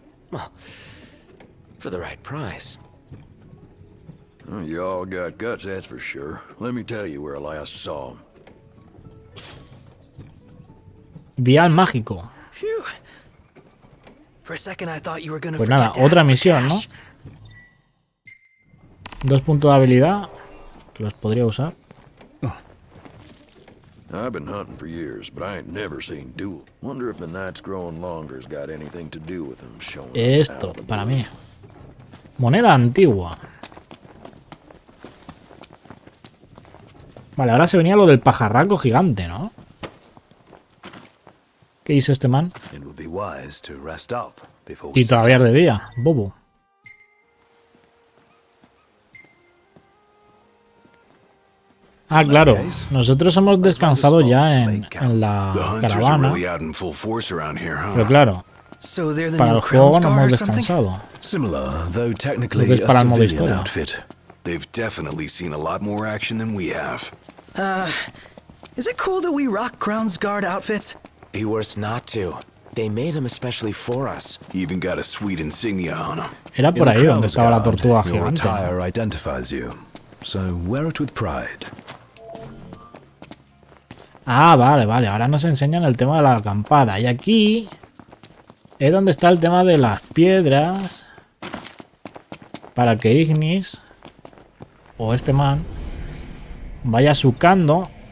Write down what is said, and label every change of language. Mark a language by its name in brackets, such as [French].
[English] Well, for the right price. You all got guts, that's for sure. Let me tell you where I last saw him. [Spanish] Vial mágico. Phew. [English] For a second I thought you were gonna forget. [Spanish] Pues nada, otra misión, ¿no? Dos puntos de habilidad. Que los podría usar. [English] I've been hunting for years, but I ain't never seen duel. Wonder if the night's growing longer's got anything to do with them showing up. [Spanish] Esto para mí. Moneda antigua. Vale, ahora se venía lo del pajarraco gigante, ¿no? ¿Qué hizo este man? [English] It would be wise to rest up before. [Spanish] Y todavía es de día, bobo. Ah, claro. Nosotros hemos descansado ya en la caravana. Pero claro, para el juego no hemos descansado. Lo que es para el modo historia. [English] They've definitely seen a lot more action than we have. Is it cool that we rock Crown's Guard outfits? Be worse not to. They made them especially for us. Even got a sweet insignia on them. [Spanish] Era por ahí donde estaba la tortuga gigante. [English] Your attire identifies you, so wear it with pride. [Spanish] Ah, vale, vale. Ahora nos enseñan el tema de la acampada. Y aquí es donde está el tema de las piedras. para que Ignis o este man vaya sucando.